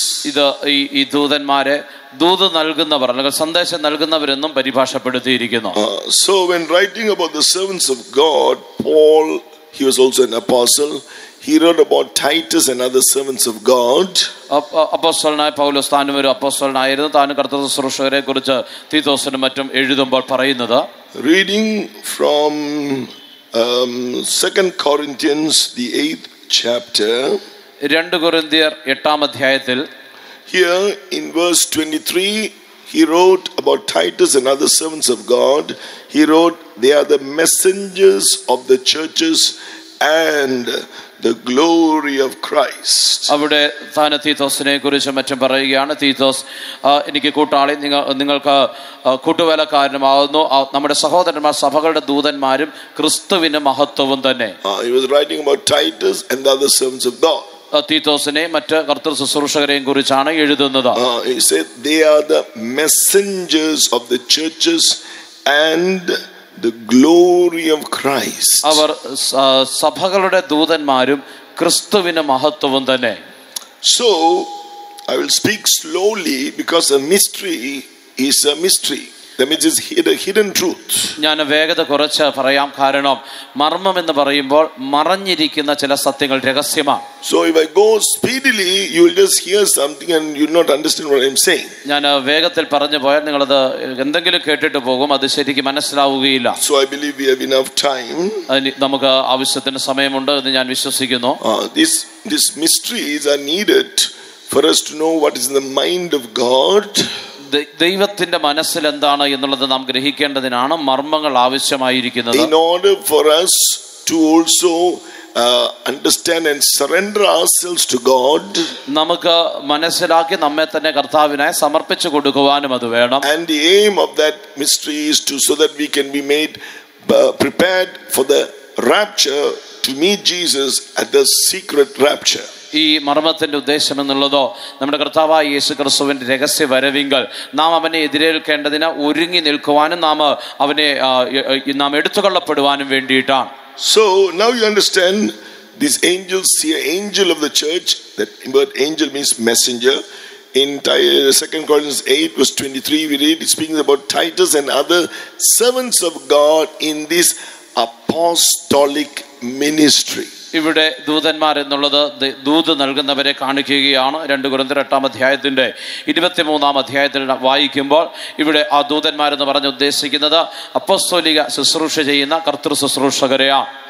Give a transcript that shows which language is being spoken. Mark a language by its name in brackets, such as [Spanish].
[Malayalam] ഇത് ഈ ദൂതന്മാരെ ദൂത് നൽകുന്നവർ അല്ലെങ്കിൽ സന്ദേശം നൽകുന്നവരെന്നും പരിഭാഷപ്പെടുത്തിയിരിക്കുന്നു. [English] So when writing about the servants of God, Paul, he was also an apostle. He wrote about Titus and other servants of God. [Malayalam] അപ്പോസ്തലനായ പൗലോസ് താനും ഒരു അപ്പോസ്തലനായിരുന്നു. താനും കർത്തൃ ശുശ്രൂഷകരെ കുറിച്ച് തീത്തോസിനും മറ്റും എഴുതുമ്പോൾ പറയുന്നത് [English] reading from 2 Corinthians the 8th chapter. [Malayalam] 2 കൊരിന്ത്യർ 8-ാം അധ്യായത്തിൽ [English] here in verse 23 he wrote about Titus and other servants of God. He wrote, they are the messengers of the churches and the glory of Christ. [Malayalam] അവിടെ തീത്തോസിനെ കുറിച്ച് മറ്റും പറയുകയാണ്, തീത്തോസ് എനിക്ക് കൂട്ടാളി, നിങ്ങൾക്ക് കൂട്ടുവേലക്കാരനുമാകുന്നു, നമ്മുടെ സഹോദരന്മാർ സഭകളുടെ ദൂതന്മാരും, ക്രിസ്തുവിന് മഹത്വവും തന്നെ. [English] He was writing about Titus and the other servants of God. [Malayalam] തീത്തോസിനെ മറ്റ് കർത്തൃ ശുശ്രൂഷകരെയും കുറിച്ചാണ് എഴുതുന്നത്. [English] He said they are the messengers of the churches and the glory of Christ. [Malayalam] അവർ സഭകളുടെ ദൂതന്മാരും ക്രിസ്തുവിന്റെ മഹത്വവും തന്നെ. [English] So I will speak slowly because a mystery. That means it's a hidden truth. [Malayalam] ഞാൻ വേഗത കുറച്ച് പറയാം, കാരണം മർമ്മം എന്ന് പറയുമ്പോൾ മറഞ്ഞിരിക്കുന്ന ചില സത്യങ്ങൾ രഹസ്യമാണ്. [English] So if I go speedily, you will just hear something and you will not understand what I am saying. [Malayalam] ഞാൻ വേഗത്തിൽ പറഞ്ഞു പോയാൽ നിങ്ങൾ അത് എന്തെങ്കിലും കേട്ടിട്ട് പോകും, അത് ശരിക്ക് മനസ്സിലാവുകയില്ല. [English] So I believe we have enough time. [Malayalam] നമുക്ക് ആവശ്യത്തിന് സമയമുണ്ട് എന്ന് ഞാൻ വിശ്വസിക്കുന്നു. [English] This mysteries are needed for us to know what is in the mind of God. [Malayalam] ദൈവത്തിന്റെ മനസ്സിൽ എന്താണ് എന്നുള്ളത് നാം ഗ്രഹിക്കേണ്ടതിനാണ് മർമ്മങ്ങൾ ആവശ്യമായിരിക്കുന്നത്. [English] In order for us to also understand and surrender ourselves to God, [Malayalam] നമുക്ക് മനസ്സിലാക്കി നമ്മെ തന്നെ കർത്താവിനായി സമർപ്പിച്ചു കൊടുക്കുവാനും അത് വേണം. [English] And the aim of that mystery is to so that we can be made prepared for the rapture, to meet Jesus at the secret rapture. [Malayalam] ഈ മർമ്മത്തിന്റെ ഉദ്ദേശം എന്നുള്ളതോ നമ്മുടെ കർത്താവായ യേശു ക്രിസ്തുവിന്റെ രഹസ്യ വരവിങ്കൽ നാം അവനെ എതിരേൽക്കേണ്ടതിന് ഒരുങ്ങി നിൽക്കുവാനും നാം അവനെ നാം എടുത്തുകൊള്ളപ്പെടുവാനും വേണ്ടിയിട്ടാണ്. [English] So now you understand these angels, see, angel of the church, that word angel means messenger. In 2 Corinthians 8 verse 23 we read it speaks about Titus and other servants of God in this apostolic ministry. [Malayalam] ഇവിടെ ദൂതന്മാർ എന്നുള്ളത് ദൂത് നൽകുന്നവരെ കാണിക്കുകയാണ്. 2 Corinthians 8:23 വായിക്കുമ്പോൾ ഇവിടെ ആ ദൂതന്മാർ എന്ന് പറഞ്ഞ് ഉദ്ദേശിക്കുന്നത് അപ്പോസ്തോലിക ശുശ്രൂഷ ചെയ്യുന്ന കർത്തൃ ശുശ്രൂഷകരെയാണ്.